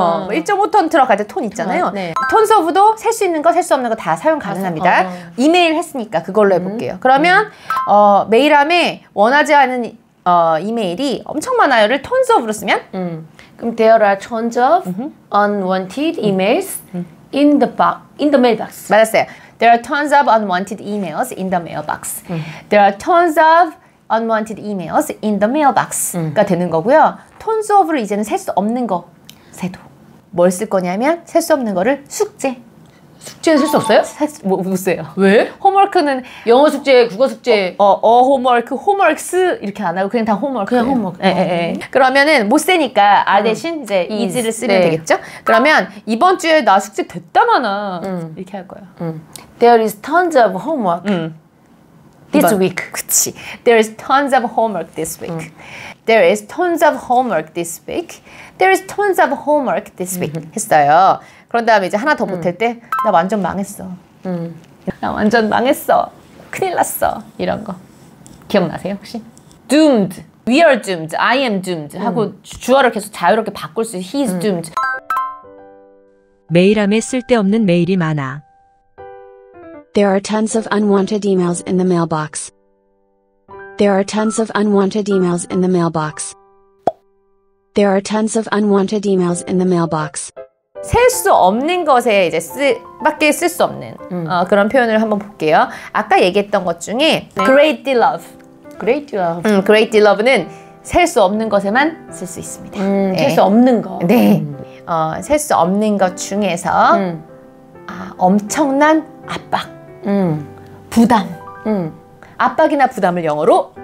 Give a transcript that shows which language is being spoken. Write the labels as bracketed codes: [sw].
[ko] 1.5톤 트럭 할 때 톤 있잖아요. 네. tons of도 셀 수 있는 거, 셀 수 없는 거 다 사용 가능합니다. 이메일 했으니까 그걸로 해볼게요. 그러면 메일함에 원하지 않은 이메일이 엄청 많아요를 tons of로 쓰면? [en] 그럼 there are tons of unwanted emails in the box, in the mailbox. [ko] 맞았어요. [en] There are tons of unwanted emails in the mailbox. There are tons of unwanted emails in the mailbox [ko] 가 되는 거고요. Tons of를 이제는 셀 수 없는 거 세도. 뭘 쓸 거냐면 셀 수 없는 거를 숙제. 숙제는 셀 수 없어요? 못 써요. 왜? 홈워크는 영어 숙제, 국어 숙제. 홈워크, 홈워크스 이렇게 안 하고 그냥 다 홈워크. 그냥 홈워크. 예, 예, 예. 그러면은 못 쓰니까 아 대신 이제 is를 쓰면 네. 되겠죠? 그러면 이번 주에 나 숙제 됐다마나 이렇게 할 거예요. [en] There is tons of homework this [ko] 이번, [en] week. [ko] 그치. [en] There is tons of homework this week. There is tons of homework this week. There is tons of homework this week. [ko] 했어요. 그런 다음에 이제 하나 더 못할 때 나 완전 망했어. 나 완전 망했어. 큰일 났어. 이런 거. 기억나세요 혹시? [en] Doomed. We are doomed. I am doomed. [ko] 하고 주어를 계속 자유롭게 바꿀 수 있어요. [en] He's doomed. [ko] 메일함에 쓸데없는 메일이 많아. [en] There are tons of unwanted emails in the mailbox. There are tons of unwanted emails in the mailbox. There are tons of unwanted emails in the mailbox. [ko] 셀 수 없는 것에 이제 밖에 쓸 수 없는 그런 표현을 한번 볼게요. 아까 얘기했던 것 중에 great deal of. [en] Great deal of. [ko] Great deal of는 셀 수 없는 것에만 쓸 수 있습니다. 네. 셀 수 없는 거. 네. 셀 수 없는 것 중에서 엄청난 압박, 부담, 압박이나 부담을 영어로